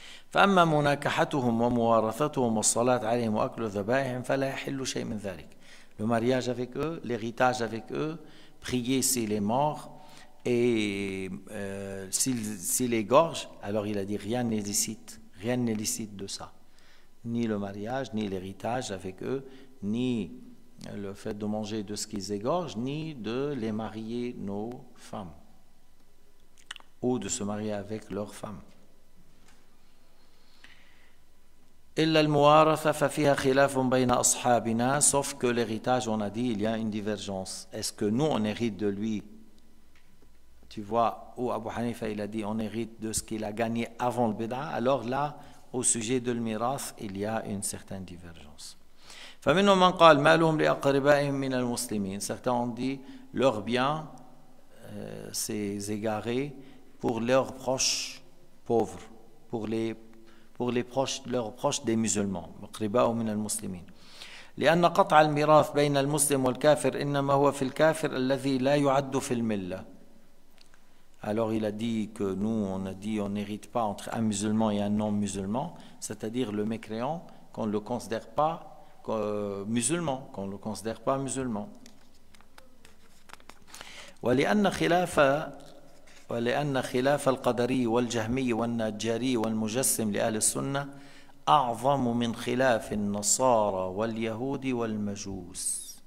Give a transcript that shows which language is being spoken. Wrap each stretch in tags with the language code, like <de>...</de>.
<ar>فأما مناكحتهم ومورثتهم والصلاة عليهم وأكل ذبائحهم فلا يحل شيء من ذلك.</ar> <fr>Le mariage avec eux, l'héritage avec eux, prier s'il est mort et s'il égorge, alors il a dit rien n'est licite de ça. Ni le mariage, ni l'héritage avec eux, ni le fait de manger de ce qu'ils égorgent, ni de les marier nos femmes. ou de se marier avec leur femme.</fr> <ar>إلا المورثة ففيها خلاف بين أصحابنا.</ar> <fr>Sauf que l'héritage, on a dit, il y a une divergence. Est-ce que nous on hérite de lui? Tu vois, où Abu Hanifa il a dit, on hérite de ce qu'il a gagné avant le bid'a. Alors là, au sujet de l'mirath, il y a une certaine divergence.</fr> <ar>فمنهم من قال ما لهم لأقربائهم من المسلمين.</ar> <fr>Certains ont dit, leur bien s'est égaré pour leurs proches pauvres, pour les proches des musulmans.</fr> <ar>Qurbahum min al-muslimin. لأن قطع الميراث بين المسلم والكافر إنما هو في الكافر الذي لا يعد في الملة.</ar> <fr>Alors il a dit que nous on a dit on n'hérite pas entre un musulman et un non-musulman, c'est-à-dire le mécréant qu'on ne le considère pas musulman, qu'on le considère pas musulman.</fr> <ar>ولأن خلاف ولأن خلاف القدري والجهمي والنجاري والمجسم لأهل السنة أعظم من خلاف النصارى واليهود والمجوس.</ar>